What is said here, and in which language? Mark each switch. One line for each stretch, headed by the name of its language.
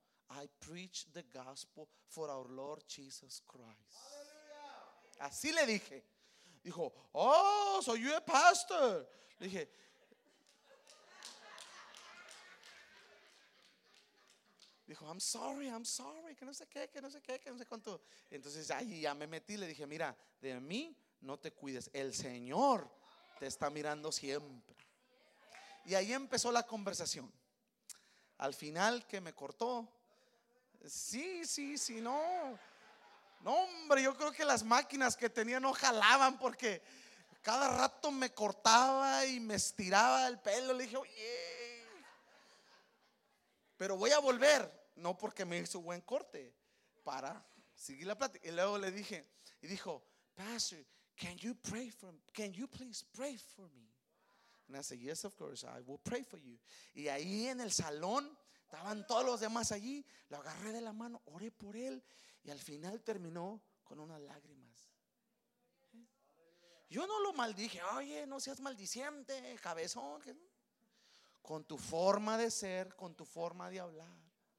English: I preach the gospel for our Lord Jesus Christ.
Spanish: ¡Aleluya! Así le dije. Dijo, oh,
English: so you're a pastor.
Spanish: Le dije, dijo,
English: I'm sorry,
Spanish: que no sé cuánto. Entonces ahí ya me metí, le dije, mira, de mí no te cuides, el Señor te está mirando siempre. Y ahí empezó la conversación. Al final que me cortó, Sí, no. No, hombre, yo creo que las máquinas que tenía no jalaban porque cada rato me cortaba y me estiraba el pelo. Le dije, oye, pero voy a volver. No porque me hizo buen corte, para seguir la plática. Y luego le dije, y dijo, Pastor,
English: can you please pray for me? And I said, yes, of course, I will pray for you.
Spanish: Y ahí en el salón estaban todos los demás allí. Lo agarré de la mano, oré por él. Y al final terminó con unas lágrimas. Yo no lo maldije. Oye, no seas maldiciente, cabezón. Con tu forma de ser, con tu forma de hablar.